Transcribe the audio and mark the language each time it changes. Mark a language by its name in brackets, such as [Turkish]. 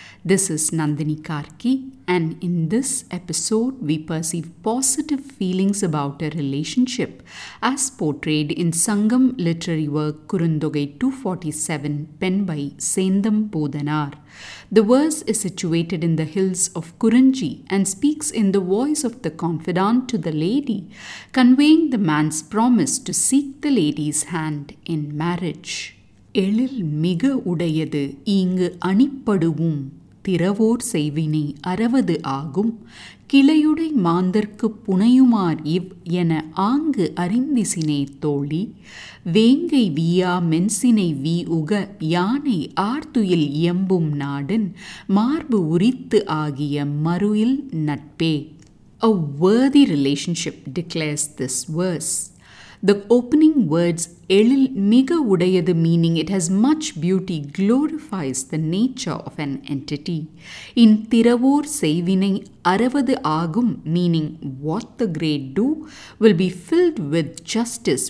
[English] This is Nandini Karki, and in this episode we perceive positive feelings about a relationship as portrayed in Sangam literary work Kurundogai 247 penned by Sendam Bodhanar. The verse is situated in the hills of Kurunji and speaks in the voice of the confidant to the lady, conveying the man's promise to seek the lady's hand in marriage. [Tamil] எழில் மிக உடையது இங்கு அணிப்படுவும் திறவோர் செய்வினை அறவது ஆகும் கிளையுடை மாந்தர்க்கு புனையுமார் இவ் என ஆங்கு அறிந்திசினே தோழி வேங்கை வீயா மென்சினை வீ உக யானை ஆர்த்துயில் இயம்பும் நாடன் மார்பு உரித்து ஆகிய மறுயில் நட்பே. [English] A worthy relationship, declares this verse. The opening words, [Tamil] Elil Miga Udayadu, [English] meaning it has much beauty, glorifies the nature of an entity. In [Tamil] Thiravor Seivinai Aravadu Agum, [English] meaning what the great do, will be filled with justice.